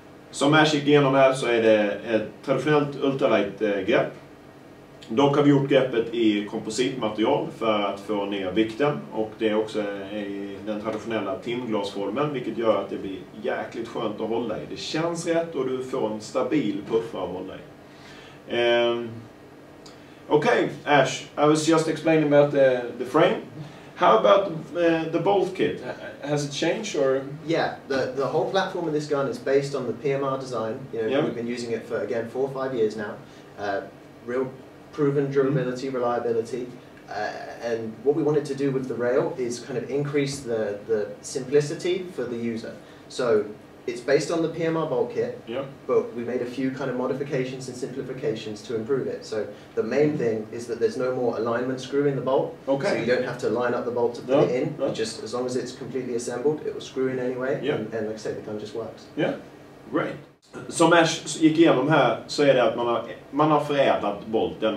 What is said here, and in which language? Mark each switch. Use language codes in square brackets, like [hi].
[sv] Som Ash gick igenom här så är det ett traditionellt ultralight grepp. Dock har vi gjort greppet i kompositmaterial för att få ner vikten, och det är också i den traditionella timglasformen, vilket gör att det blir jäkligt skönt att hålla i. Det känns rätt och du får en stabil puffra att hålla i. [en] Okay, Ash, I was just explaining about the frame. How about the bolt kit? Has it changed or? Yeah, the whole platform of this gun is based on the PMR design. You know, we've been using it for, again, 4 or 5 years now. Real proven durability, reliability, And what we wanted to do with the rail is kind of increase the simplicity for the user. So it's based on the PMR bolt kit, but we made a few kind of modifications and simplifications to improve it. So the main thing is that there's no more alignment screw in the bolt. Okay. So you don't have to line up the bolt to put it in. No. Just as long as it's completely assembled, it will screw in anyway. Yeah. And like I say, the gun just works. Yeah, great. [sv] Som Ash gick igenom här så är det att man har förädlat bolten.